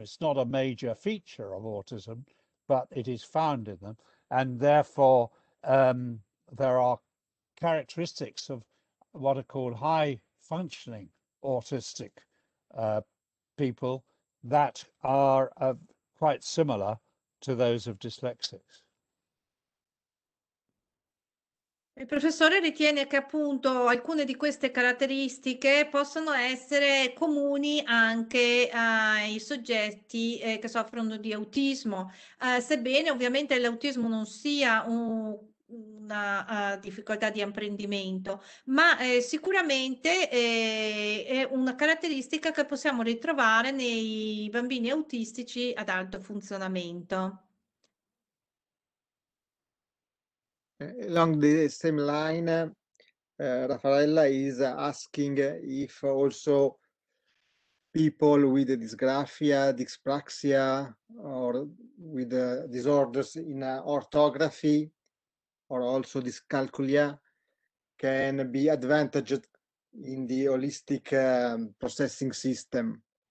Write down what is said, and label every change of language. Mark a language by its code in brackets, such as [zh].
[en] It's not a major feature of autism, but it is found in them, and therefore there are characteristics of what are called high functioning autistic people that are quite similar to those of dyslexics. [it] Il professore ritiene che appunto alcune di queste caratteristiche possano essere comuni anche ai soggetti che soffrono di autismo, sebbene ovviamente l'autismo non sia una difficoltà di apprendimento, ma sicuramente è una caratteristica che possiamo ritrovare nei bambini autistici ad alto funzionamento. [en] Along the same line, Raffaella is asking if also people with dysgraphia, dyspraxia, or with disorders in orthography, or also dyscalculia, can be advantaged in the holistic processing system?